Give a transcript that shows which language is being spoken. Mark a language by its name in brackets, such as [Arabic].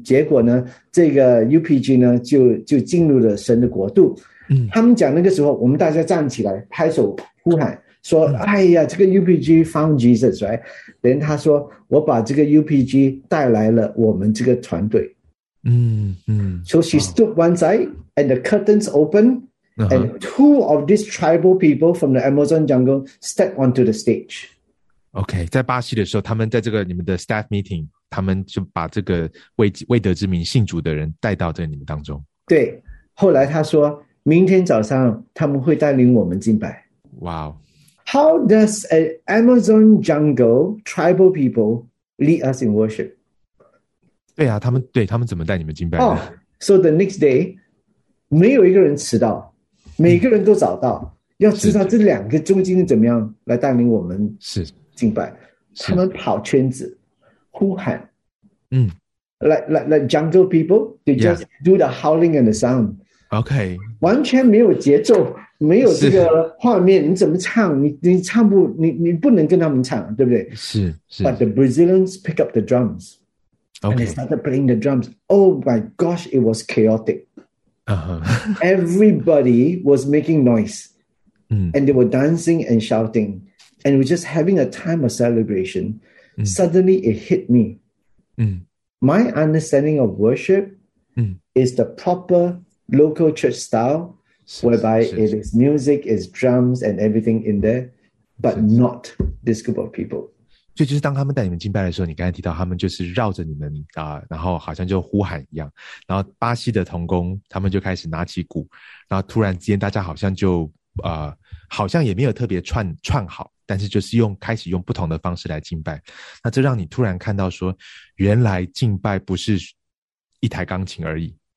[Chinese] 结果呢，这个 UPG 呢就进入了神的国度。他们讲那个时候我们大家站起来拍手呼喊，说、嗯、哎呀，这个 UPG [English] found Jesus， right？ [Chinese] 连他说我把这个 UPG 带来了我们这个团队。嗯嗯。 [English] So she stood one side and the curtains open、uh-huh. and two of these tribal people from the Amazon jungle stepped onto the stage. [Chinese] OK， 在巴西的时候他们在这个你们的 staff meeting， 他们就把这个 未得之名信主的人带到这你们当中。对，后来他说明天早上他们会带领我们敬拜。 [English] Wow. How does an Amazon jungle tribal people lead us in worship? [Chinese] 对啊，他们怎么带你们敬拜？ [English] Oh, so the next day, [Chinese] 没有一个人迟到，每个人都找到，要知道这两个中间怎么样来带领我们敬拜。他们跑圈子，呼喊。嗯。 [English] Like jungle people, they just do the howling and the sound. OK. [Chinese] 完全没有节奏。没有这个画面，你怎么唱？你唱不，你不能跟他们唱，对不对？是是。 [English] But the Brazilians pick up the drums, and they started playing the drums. Oh my gosh, it was chaotic. Everybody was making noise, and they were dancing and shouting, and we're just having a time of celebration. Suddenly, it hit me. My understanding of worship is the proper local church style. Whereby it is music, it's drums and everything in there, but not this group of people. [Chinese] 所以就是当他们带你们敬拜的时候，你刚才提到他们就是绕着你们啊、然后好像就呼喊一样，然后巴西的同工他们就开始拿起鼓，然后突然间大家好像就好像也没有特别串好，但是就是用开始用不同的方式来敬拜，那这让你突然看到说，原来敬拜不是一台钢琴而已。